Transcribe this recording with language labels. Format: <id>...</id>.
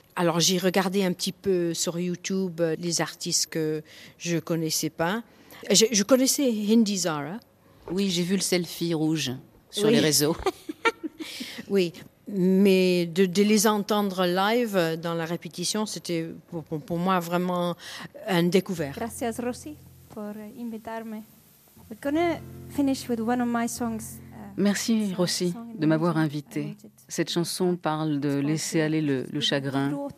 <fr>Alors, j'ai regardé un petit peu sur YouTube les artistes que je ne connaissais pas. Je connaissais Indizara. Oui, j'ai vu le selfie rouge sur les réseaux. Oui. Mais de les entendre live dans la répétition, c'était pour moi vraiment un découvert.</fr> <es>Gracias Rossi por invitarme.</es> <en>We're gonna finish with one of my songs.</en> <fr>Merci Rossi de m'avoir invité. Cette chanson parle de laisser aller le chagrin.</fr>